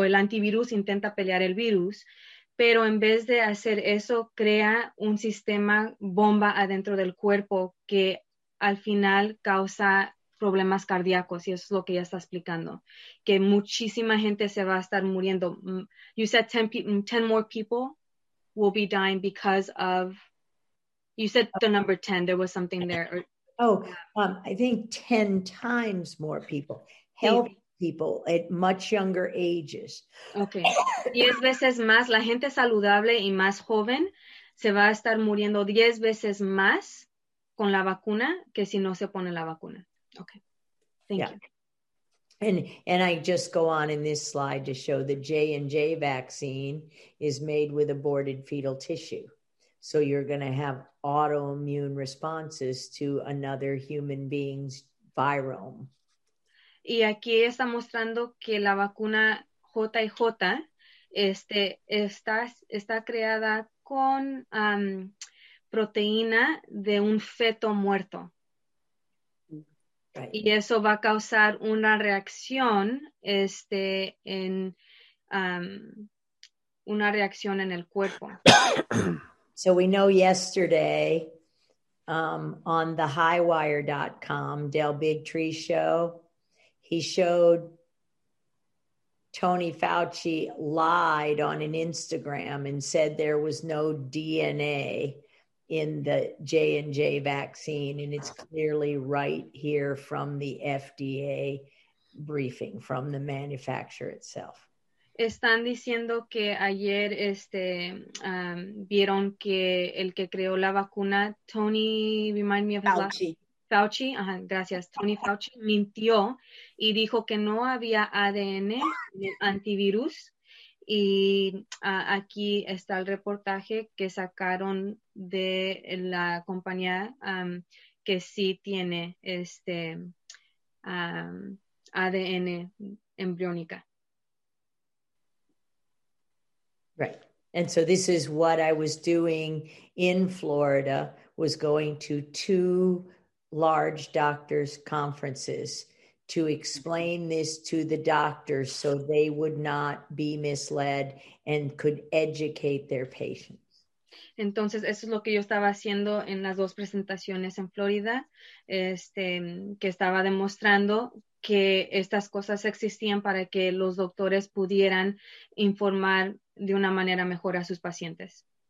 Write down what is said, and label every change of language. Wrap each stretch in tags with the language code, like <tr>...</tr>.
<es>O el antivirus intenta pelear el virus, pero en vez de hacer eso, crea un sistema bomba adentro del cuerpo que al final causa problemas cardíacos, y eso es lo que ella está explicando, que muchísima gente se va a estar muriendo.</es> <en>You said 10 more people will be dying because of, you said the number 10, there was something there. Or, Oh, I think 10 times more people, maybe. healthy people at much younger ages. Okay.</en> <es>10 veces más, la gente saludable y más joven se va a estar muriendo 10 veces más con la vacuna que si no se pone la vacuna.</es> <en>Okay, thank Yeah. you. And I just go on in this slide to show the J&J vaccine is made with aborted fetal tissue. So you're going to have autoimmune responses to another human being's virome.</en> <es>Y aquí está mostrando que la vacuna JJ, está creada con proteína de un feto muerto.</es> <en>Right.</en> <es>Y eso va a causar una reacción, una reacción en el cuerpo.</es> <en>So we know yesterday on the highwire.com Del Bigtree show, he showed Tony Fauci lied on an Instagram and said there was no DNA in the J&J vaccine, and it's clearly right here from the FDA briefing, from the manufacturer itself.</en> <es>Están diciendo que ayer vieron que el que creó la vacuna, Tony,</es> <en>remind me of his last</en> <es>Fauci. name, Fauci, gracias, Tony Fauci, mintió y dijo que no había ADN en el antivirus. Y aquí está el reportaje que sacaron de la compañía que sí tiene ADN embriónica.</es> <en>Right. And so this is what I was doing in Florida, was going to two large doctors' conferences to explain this to the doctors so they would not be misled and could educate their patients.</en> <es>Entonces, eso es lo que yo estaba haciendo en las dos presentaciones en Florida, que estaba demostrando que estas cosas existían para que los doctores pudieran informar de una manera mejor a sus pacientes.</es>